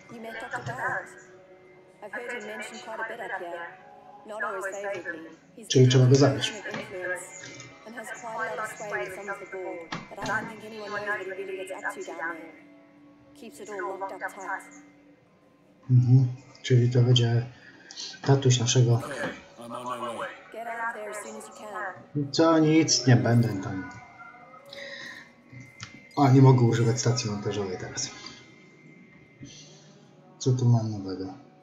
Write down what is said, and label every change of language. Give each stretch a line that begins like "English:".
English: You met Dr. Barrett. I've heard him mentioned quite a bit up here. Not always favorably. He's been a major influence and has quite a lot of sway with some of the board. But I don't think anyone knows what he really gets up to down there. Keeps it all locked up tight.
Polish: Czyli to będzie tatuś naszego.
English: Get out of there as soon as you can.
Polish: Co, nic, nie będę tam. A, nie mogę używać stacji montażowej teraz. Co tu mam nowego?